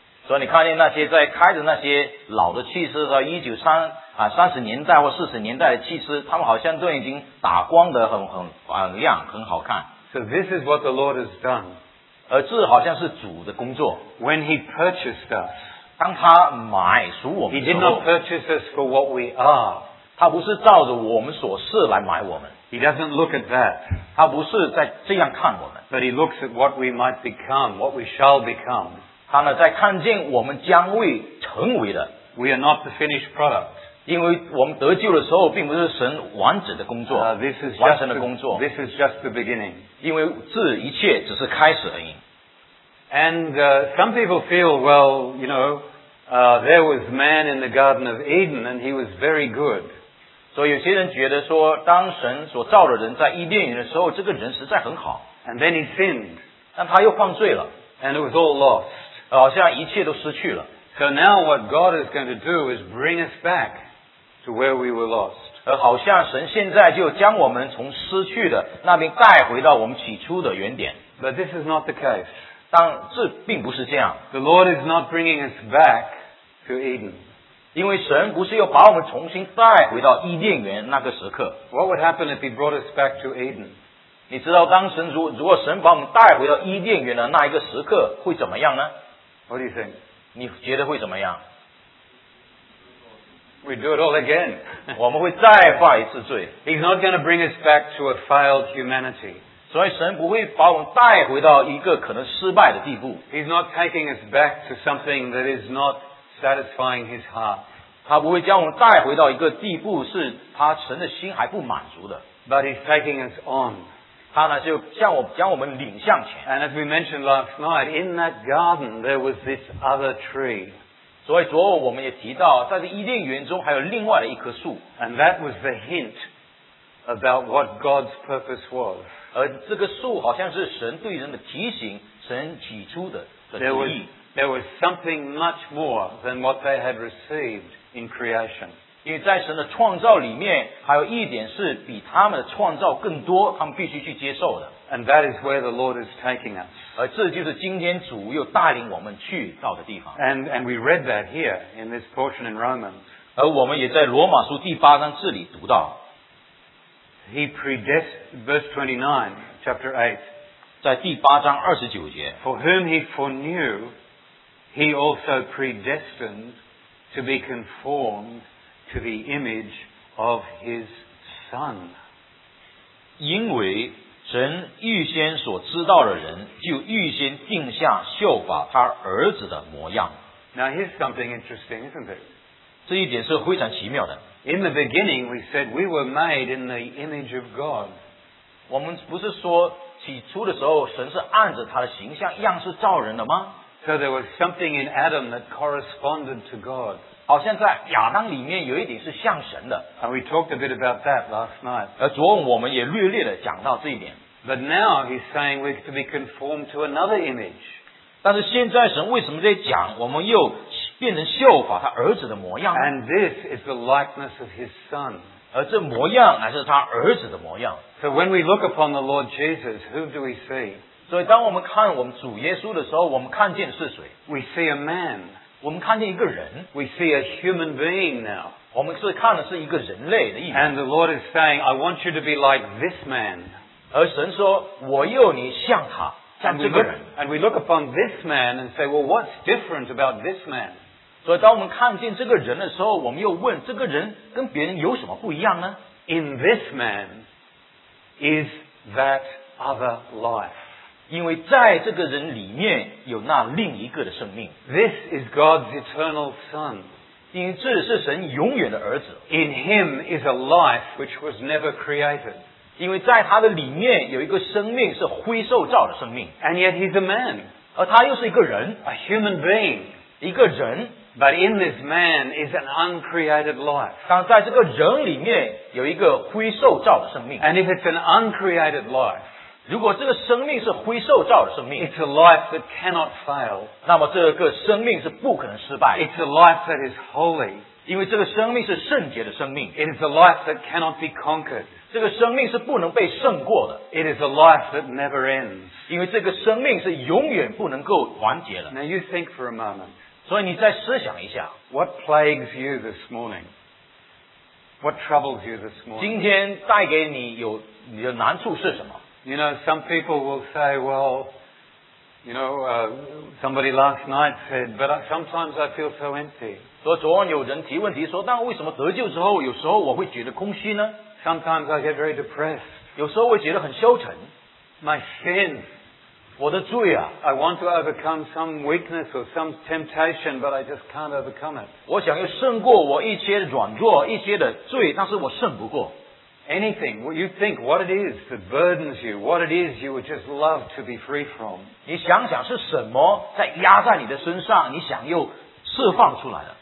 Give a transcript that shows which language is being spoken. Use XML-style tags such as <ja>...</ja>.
<zh>所以你看见那些在开着那些老的汽车和1930年代或40年代的汽车他们好像都已经打光得很亮很好看</zh> <en>So this is what the Lord has done</en> <zh>而这好像是主的工作</zh> <en>When he purchased us</en> <zh>当他买属我们的时候</zh> <en>He did not purchase us for what we are.</en> <zh>他不是照着我们所是来买我们。</zh> <en>He doesn't look at that.</en> <zh>他不是在这样看我们。</zh> <en>But he looks at what we might become, what we shall become.</en> <zh>他呢在看见我们将会成为的。</zh> <en>We are not the finished product.</en> <zh>因为我们得救的时候并不是神完整的工作。完成的工作。</zh> <en>This is just the beginning.</en> <zh>因为这一切只是开始而已。</zh> <en>And some people feel, well, you know, there was man in the Garden of Eden and he was very good.</en> <zh>So 有些人觉得说当神所造的人在伊甸园的时候这个人实在很好。</zh> <en>And then he sinned.</en> <zh>但他又犯罪了。</zh> <en>And it was all lost.</en> <zh>好像一切都失去了。</zh> <en>So now what God is going to do is bring us back to where we were lost.</en> <zh>好像神现在就将我们从失去的那边带回到我们起初的原点。</zh> <en>But this is not the case.</en> <zh>但这并不是这样。</zh> <en>The Lord is not bringing us back to Eden.</en> <zh>因为神不是要把我们重新带回到伊甸园那个时刻。</zh> <en>What would happen if he brought us back to Eden?</en> <zh>你知道当神如果神把我们带回到伊甸园的那一个时刻会怎么样呢?</zh> <en>What do you think?</en> <zh>你觉得会怎么样?</zh> <en>We do it all again.</en> <zh>我们会再犯一次罪。</zh> <en>He's not going to bring us back to a failed humanity.</en> <zh>所以神不会把我们带回到一个可能失败的地步。</zh> <en>He's not taking us back to something that is not satisfying his heart.</en> <zh>他不会将我们带回到一个地步是他神的心还不满足的。</zh> <en>But he's taking us on.</en> <zh>他呢就将我们领向前。</zh> <en>And as we mentioned last night, in that garden there was this other tree.</en> <zh>所以昨晚我们也提到在这伊甸园中还有另外的一棵树。</zh> <en>And that was the hint about what God's purpose was.</en> <zh>而这个树好像是神对人的提醒，神起初的旨意。</zh> <en>There was something much more than what they had received in creation.</en> <zh>因为在神的创造里面，还有一点是比他们的创造更多，他们必须去接受的。</zh> <en>And that is where the Lord is taking us.</en> <zh>而这就是今天主又带领我们去到的地方。</zh> <en>And we read that here in this portion in Romans.</en> <zh>而我们也在罗马书第八章这里读到。</zh> <en>He predestined, verse 29, chapter 8.</en> <zh>在第八章二十九节。</zh> <en>For whom he foreknew, he also predestined to be conformed to the image of his son.</en> <zh>因为神预先所知道的人，就预先定下效法他儿子的模样。</zh> <en>Now here's something interesting, isn't it?</en> <zh>这一点是非常奇妙的。</zh> <en>In the beginning, we said we were made in the image of God.</en> <zh>我们不是说起初的时候，神是按着他的形象样式造人的吗？</zh> <en>So there was something in Adam that corresponded to God.</en> <zh>好像在亚当里面有一点是像神的。</zh> <en>And we talked a bit about that last night.</en> <zh>昨晚我们也略略的讲到这一点。</zh> <en>But now he's saying we're to be conformed to another image.</en> <zh>但是现在神为什么在讲我们又变成效法他儿子的模样呢？</zh> <en>And this is the likeness of his son.</en> <zh>而这模样还是他儿子的模样。</zh> <en>So when we look upon the Lord Jesus, who do we see?</en> <zh>所以当我们看我们主耶稣的时候，我们看见是谁？</zh> <en>We see a man.</en> <zh>我们看见一个人。</zh> <en>We see a human being now.</en> <zh>我们是看的是一个人类的意思。</zh> <en>And the Lord is saying, I want you to be like this man.</en> <zh>而神说，我要你像他，像这个人。</zh> <en>And we look upon this man and say, well, what's different about this man?</en> <zh>所以当我们看见这个人的时候，我们又问，这个人跟别人有什么不一样呢？</zh> <en>In this man is that other life.</en> <zh>因为在这个人里面有那另一个的生命。</zh> <en>This is God's eternal Son.</en> <zh>因为这是神永远的儿子。</zh> <en>In him is a life which was never created.</en> <zh>因为在他的里面有一个生命是灰受造的生命。</zh> <en>And yet he's a man.</en> <zh>而他又是一个人。</zh> <en>A human being.</en> <zh>一个人。</zh> <en>But in this man is an uncreated life.</en> <zh>但在这个人里面有一个灰受造的生命。</zh> <en>And if it's an uncreated life,</en> <zh>如果这个生命是灰受造的生命，</zh> <en>It's a life that cannot fail.</en> <zh>那么这个生命是不可能失败的。</zh> <en>It's a life that is holy.</en> <zh>因为这个生命是圣洁的生命。</zh> <en>It is a life that cannot be conquered.</en> <zh>这个生命是不能被胜过的。</zh> <en>It is a life that never ends.</en> <zh>因为这个生命是永远不能够完结的。</zh> <en>Now you think for a moment.</en> <zh>所以你再思想一下。</zh> <en>What plagues you this morning? What troubles you this morning?</en> <zh>今天带给你有你的难处是什么？</zh> <en>You know, some people will say, well, you know, somebody last night said, but sometimes I feel so empty.</en> <zh>所以昨晚有人提问题说，但为什么得救之后，有时候我会觉得空虚呢？</zh> <en>Sometimes I get very depressed.</en> <zh>有时候我觉得很消沉。</zh> <en>My sin.</en> <zh>我的罪啊。</zh> <en>I want to overcome some weakness or some temptation, but I just can't overcome it.</en> <zh>我想要胜过我一些软弱，一些的罪，但是我胜不过。</zh> <en>Anything, what you think, what it is that burdens you, what it is you would just love to be free from.</en> <zh>你想想是什么在压在你的身上，你想又释放出来的。</zh>